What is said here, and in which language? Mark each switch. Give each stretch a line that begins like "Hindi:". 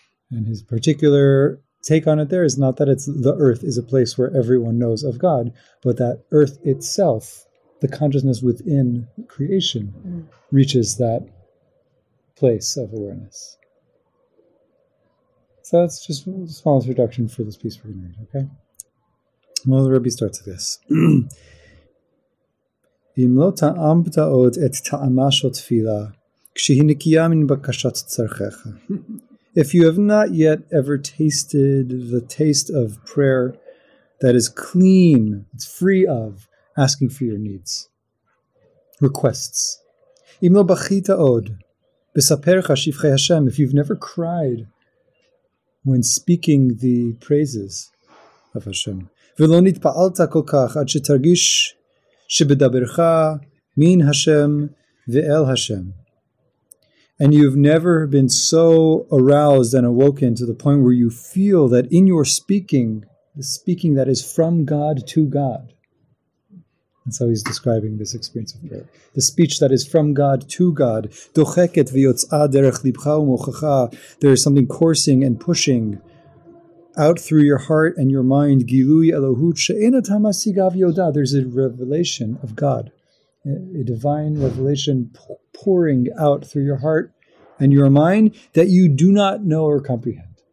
English: And his particular take on it there is not that it's the earth is a place where everyone knows of God, but that earth itself, the consciousness within creation, reaches that place of awareness. So that's just a small introduction for this piece we're going to read, okay? Well, the Rebbe starts with this.
Hebrew: אם לא טעמת עוד את טעמה של תפילה, כשהיא נקייה מן בקשת צרכך.
English: If you have not yet ever tasted the taste of prayer that is clean, it's free of asking for your needs, requests.
Hebrew: אם לא בכית עוד, בספרך שפחי השם,
English: if you've never cried when speaking the praises of Hashem,
Hebrew: ולא נתפעלת כל כך עד שתרגיש שבדברך מן השם ואל השם.
English: And you've never been so aroused and awoken to the point where you feel that in your speaking, the speaking that is from God to God. And so he's describing this experience of prayer. The speech that is from God to God.
Hebrew: דוחקת ויוצאה דרך ליבך ומוחך.
English: There is something coursing and pushing out through your heart and your mind,
Hebrew: gilui elohut she'en ata masigav yoda.
English: There's a revelation of God, a divine revelation pouring out through your heart and your mind that you do not know or comprehend.